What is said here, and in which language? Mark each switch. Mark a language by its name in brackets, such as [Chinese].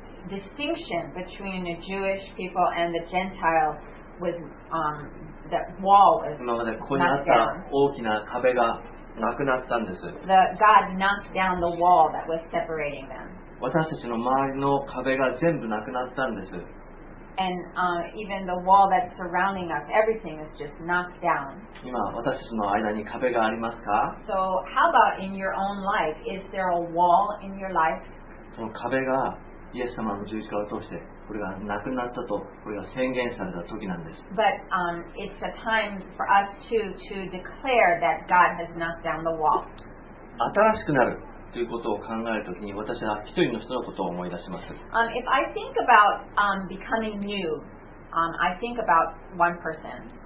[English] The distinction between the Jewish people and the Gentiles was, that wall was knocked down. [Japanese] 今までここにあった大きな壁がなくなったんです。 [English] The God knocked down the wall that was separating them. [Japanese] 私たちの周りの壁が全部なくなったんです。 [English] And, even the wall that's surrounding us, everything is just knocked down. [Japanese] 今私たちの間に壁がありますか? [English] So how about in your own life? Is there a wall in your life? [Japanese] その壁がイエス様の十字架を通してこれがなくなったとこれが宣言された時なんです。 [English] But, it's a time for us to declare that God has knocked down the wall. [Japanese] 新しくなるということを考えるときに私は一人の人のことを思い出します。 [English] If I think about, becoming new, I think about one person.